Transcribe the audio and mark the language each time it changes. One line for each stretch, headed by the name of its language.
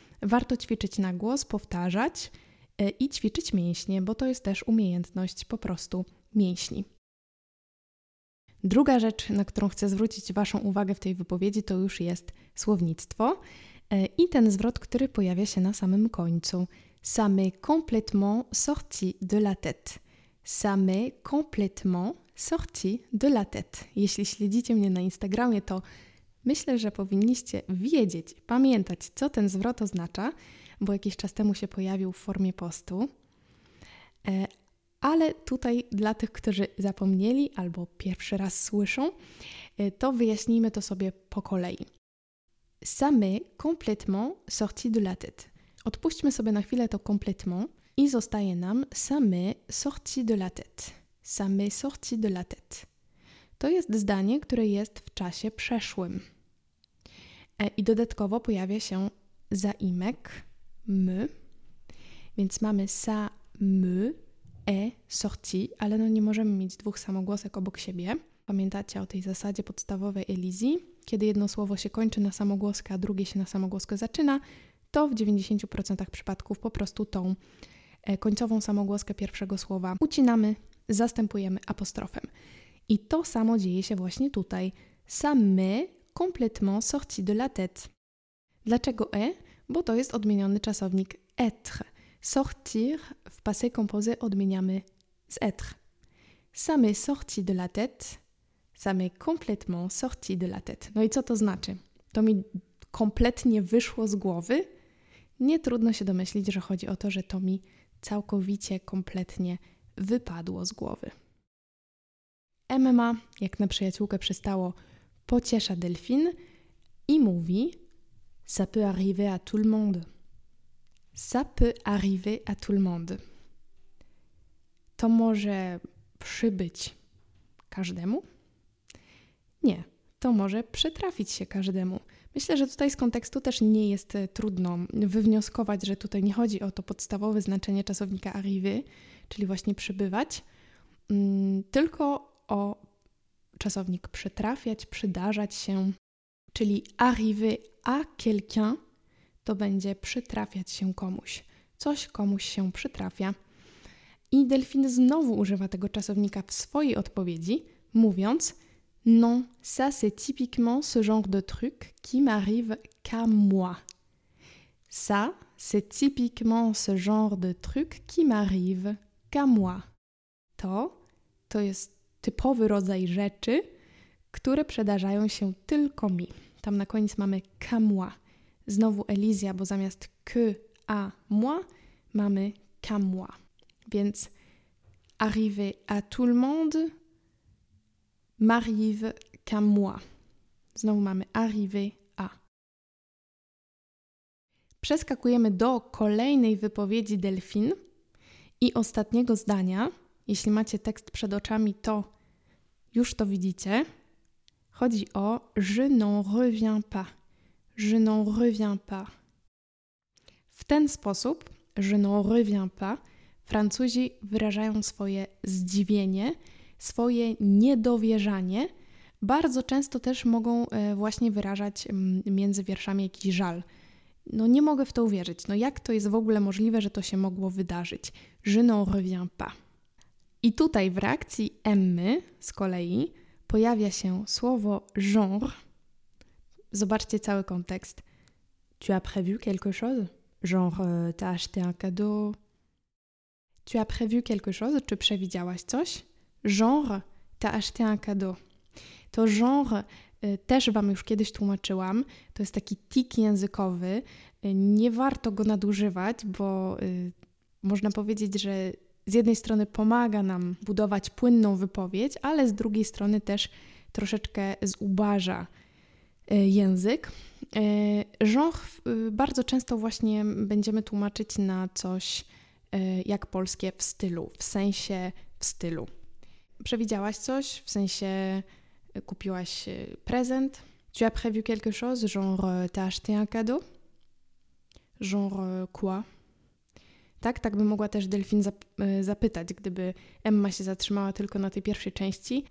Polish: Warto ćwiczyć na głos, powtarzać i ćwiczyć mięśnie, bo to jest też umiejętność po prostu mięśni. Druga rzecz, na którą chcę zwrócić Waszą uwagę w tej wypowiedzi, to już jest słownictwo i ten zwrot, który pojawia się na samym końcu.
French: Ça m'est complètement sorti de la tête. Ça m'est complètement sorti de la tête.
Polish: Jeśli śledzicie mnie na Instagramie, to myślę, że powinniście wiedzieć, pamiętać, co ten zwrot oznacza, bo jakiś czas temu się pojawił w formie postu. Ale tutaj dla tych, którzy zapomnieli albo pierwszy raz słyszą, to wyjaśnijmy to sobie po kolei.
French: Ça m'est complètement sorti de la tête.
Polish: Odpuśćmy sobie na chwilę to complètement i zostaje nam
French: ça m'est sorti de la tête. Ça m'est sorti de la tête.
Polish: To jest zdanie, które jest w czasie przeszłym. I dodatkowo pojawia się zaimek me, więc mamy
French: ça me est sorti,
Polish: ale no nie możemy mieć dwóch samogłosek obok siebie. Pamiętacie o tej zasadzie podstawowej elizji? Kiedy jedno słowo się kończy na samogłoskę, a drugie się na samogłoskę zaczyna, to w 90% przypadków po prostu tą końcową samogłoskę pierwszego słowa ucinamy, zastępujemy apostrofem. I to samo dzieje się właśnie tutaj.
French: Ça m'est complètement sorti de la tête.
Polish: Dlaczego e? Bo to jest odmieniony czasownik être. Sortir w passé composé odmieniamy z être.
French: Ça m'est sorti de la tête. Ça m'est complètement sorti de la tête.
Polish: No i co to znaczy? To mi kompletnie wyszło z głowy. Nie trudno się domyślić, że chodzi o to, że to mi całkowicie, kompletnie wypadło z głowy. Emma, jak na przyjaciółkę przystało, pociesza Delphine i mówi:
French: Ça peut arriver à tout le monde. Ça peut arriver à tout le monde.
Polish: To może przybyć każdemu? Nie, to może przytrafić się każdemu. Myślę, że tutaj z kontekstu też nie jest trudno wywnioskować, że tutaj nie chodzi o to podstawowe znaczenie czasownika arriver, czyli właśnie przybywać, tylko o czasownik przytrafiać, przydarzać się, czyli
French: arriver à quelqu'un
Polish: to będzie przytrafiać się komuś. Coś komuś się przytrafia. I Delphine znowu używa tego czasownika w swojej odpowiedzi, mówiąc:
French: Non, ça c'est typiquement ce genre de truc qui m'arrive qu'à moi. Ça c'est typiquement ce genre de truc qui m'arrive qu'à moi.
Polish: To jest typowy rodzaj rzeczy, które przydarzają się tylko mi. Tam na koniec mamy
French: qu'à moi.
Polish: Znowu Elizja, bo zamiast
French: que à moi mamy qu'à moi. Więc arrivé à tout le monde. M'arrive qu'à moi.
Polish: Znowu mamy
French: arrivé à.
Polish: Przeskakujemy do kolejnej wypowiedzi Delphine i ostatniego zdania. Jeśli macie tekst przed oczami, to już to widzicie. Chodzi o
French: je n'en reviens pas. Je n'en reviens pas.
Polish: W ten sposób,
French: je n'en reviens pas,
Polish: Francuzi wyrażają swoje zdziwienie, swoje niedowierzanie. Bardzo często też mogą właśnie wyrażać między wierszami jakiś żal. No nie mogę w to uwierzyć. No jak to jest w ogóle możliwe, że to się mogło wydarzyć?
French: Je n'en reviens pas.
Polish: I tutaj w reakcji Emmy z kolei pojawia się słowo genre. Zobaczcie cały kontekst.
French: Tu as prévu quelque chose? Genre, t'as acheté un cadeau? Tu as prévu quelque chose?
Polish: Czy przewidziałaś coś?
French: Genre, t'as acheté un cadeau.
Polish: To genre też Wam już kiedyś tłumaczyłam. To jest taki tik językowy, nie warto go nadużywać, bo można powiedzieć, że z jednej strony pomaga nam budować płynną wypowiedź, ale z drugiej strony też troszeczkę zubaża język. Żonch bardzo często właśnie będziemy tłumaczyć na coś jak polskie w stylu, w sensie w stylu. Przewidziałaś coś, w sensie kupiłaś prezent.
French: Tu as prévu quelque chose, genre t'as acheté un cadeau? Genre quoi?
Polish: Tak, tak by mogła też Delphine zapytać, gdyby Emma się zatrzymała tylko na tej pierwszej części.